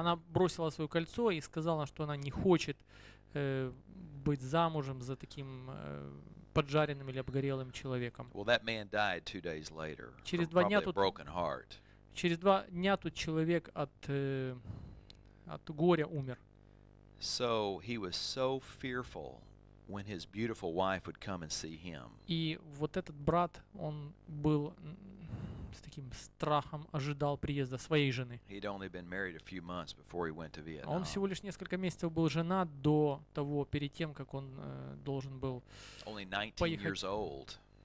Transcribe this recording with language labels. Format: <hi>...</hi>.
<ru>Она бросила свое кольцо и сказала, что она не хочет быть замужем за таким поджаренным или обгорелым человеком.</ru> <en>Well, that man died 2 days later.</en> <ru>Через два дня тут</ru> <en>broken heart.</en> <ru>Через два дня тут человек от горя умер.</ru> <en>So he was so fearful when his beautiful wife would come and see him.</en> <ru>И вот этот брат, он был с таким страхом ожидал приезда своей жены.</ru> <en>He'd only been married a few months before he went to Vietnam.</en> <ru>Он всего лишь несколько месяцев был женат до того, перед тем, как он должен был поехать.</ru> <en>Only 19 years old.</en>